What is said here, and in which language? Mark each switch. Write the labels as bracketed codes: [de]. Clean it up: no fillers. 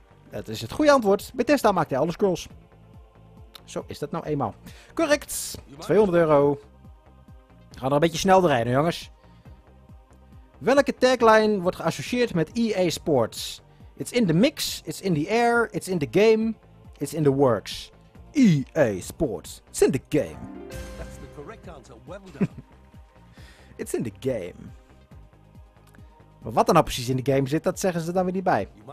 [nl] Dat is het goede antwoord. Bethesda maakt de Elder Scrolls. Zo is dat nou eenmaal. Correct. 200 euro. We gaan er een beetje snel rijden, jongens. Welke tagline wordt geassocieerd met EA Sports? [en] It's in the mix, it's in the air, it's in the game, it's in the works. EA Sports, it's in the game. That's the correct answer. Well done. It's in the game. [nl] Maar wat er nou precies in de game zit, dat zeggen ze dan weer niet bij.